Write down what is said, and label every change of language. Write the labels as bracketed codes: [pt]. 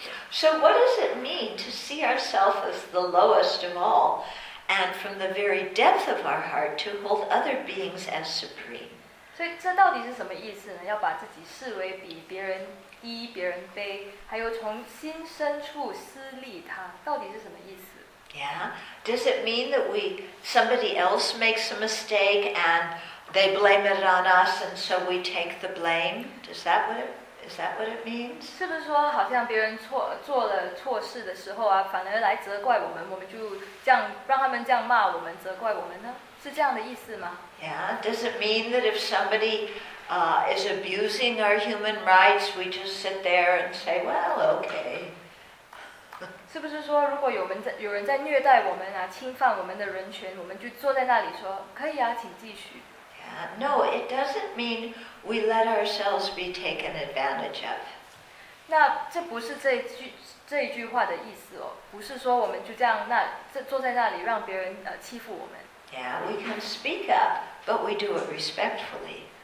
[en] So what does it mean to see ourselves as the lowest of all, and from the very depth of our heart to hold other beings as supreme? [zh] 所以这到底是什么意思呢？要把自己视为比别人低、别人卑，还有从心深处思利他，到底是什么意思？ [en] Yeah. Does it mean that somebody else makes a mistake and they blame it on us, and so we take the blame? Is that what it means? [zh] 是不是说好像别人做了错事的时候啊，反而来责怪我们，我们就这样让他们这样骂我们，责怪我们呢？是这样的意思吗？ [en] Yeah. Does it mean that if somebody is abusing our human rights, we just sit there and say, "Well, okay." [zh] 是不是说如果有人在虐待我们啊，侵犯我们的人权，我们就坐在那里说，可以啊，请继续。 [en] No, it doesn't mean we let ourselves be taken advantage of. [zh] 那这不是这一句话的意思哦，不是说我们就这样坐在那里让别人欺负我们。 [en] Yeah, we can speak up, but we do it respectfully.